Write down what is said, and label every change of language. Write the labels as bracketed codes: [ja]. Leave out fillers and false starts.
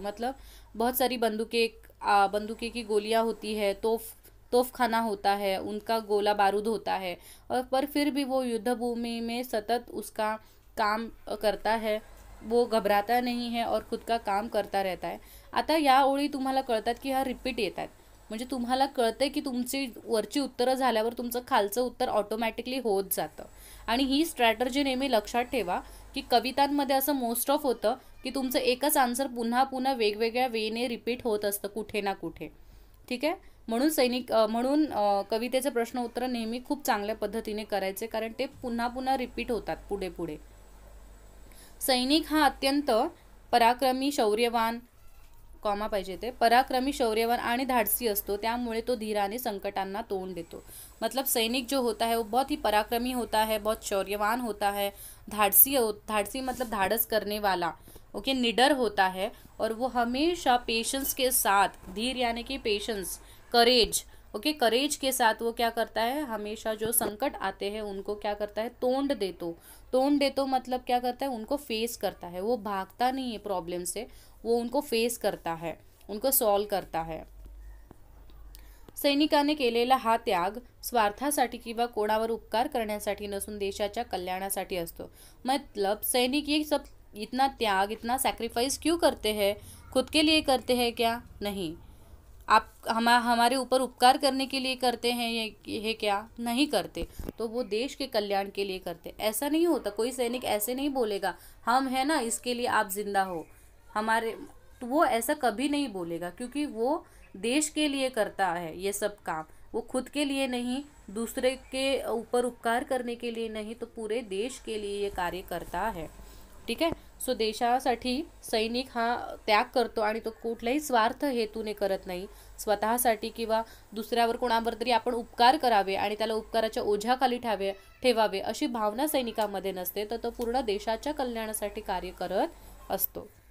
[hi] मतलब बहुत सारी बंदूके की गोलियां होती है, तोफखाना होता है, उनका गोला बारूद होता है, और पर फिर भी वो युद्धभूमि में सतत उसका काम करता है, वो घबराता नहीं है और खुद का काम करता रहता है। [mr] आता या ओळी तुम्हाला कळतात की हा रिपीट येत आहेत, म्हणजे तुम्हाला कळतंय की तुमची वरची उत्तरं झाल्यावर तुमचं खालचं उत्तर ऑटोमॅटिकली होत जातं। आणि ही स्ट्रॅटर्जी नेहमी लक्षात ठेवा की कवितांमध्ये असं मोस्ट ऑफ होतं की तुमचं एकच आन्सर पुन्हा पुन्हा वेगवेगळ्या वेने रिपीट होत असतं कुठे ना कुठे, ठीक आहे। म्हणून सैनिक म्हणून कवितेचे प्रश्न उत्तर नेहमी खूप चांगल्या पद्धतीने करायचे, कारण ते पुन्हा पुन्हा रिपीट होतात पुढे पुढे। सैनिक हा अत्यंत पराक्रमी शौर्यवान, कॉमा पाहिजे ते, पराक्रमी शौर्यवान आणि धाडसी असतो, त्यामुळे तो धीराने संकटांना तोंड देतो। [hi] मतलब सैनिक जो होता है वो बहुत ही पराक्रमी होता है, बहुत शौर्यवान होता है, धाडसी मतलब धाडस करने वाला, ओके, निडर होता है, और वो हमेशा पेशेंस के साथ, धीर यानी कि पेशेंस, करेज, ओके, करेज के साथ वो क्या करता है, हमेशा जो संकट आते हैं उनको क्या करता है, तोंड दे तो मतलब क्या करता है, उनको फेस करता है, वो भागता नहीं है प्रॉब्लम से, वो उनको फेस करता है, उनको सॉल्व करता है। [mr] सैनिकाने केलेला हा त्याग स्वार्थासाठी किंवा कोणावर उपकार करण्यासाठी नसून देशाच्या कल्याणासाठी असतो। [hi] मतलब सैनिक ये सब इतना त्याग, इतना सॅक्रिफाईस क्यों करते हैं, खुद के लिए करते हैं क्या? नहीं, आप हमारे ऊपर उपकार करने के लिए करते हैं ये क्या? नहीं करते, तो वो देश के कल्याण के लिए करते। ऐसा नहीं होता, कोई सैनिक ऐसे नहीं बोलेगा हम है ना इसके लिए आप जिंदा हो हमारे, तो वो ऐसा कभी नहीं बोलेगा, क्योंकि वो देश के लिए करता है ये सब काम, वो खुद के लिए नहीं, दूसरे के ऊपर उपकार करने के लिए नहीं, तो पूरे देश के लिए ये कार्य करता है, ठीक है। [mr] सो देशासाठी सैनिक हा त्याग करतो आणि तो कुठल्याही स्वार्थ हेतूने करत नाही, स्वतःसाठी किंवा दुसऱ्यावर कोणावर तरी आपण उपकार करावे आणि त्याला उपकाराच्या ओझ्याखाली ठेवावे अशी भावना सैनिकामध्ये नसते, तर तो पूर्ण देशाच्या कल्याणासाठी कार्य करत असतो।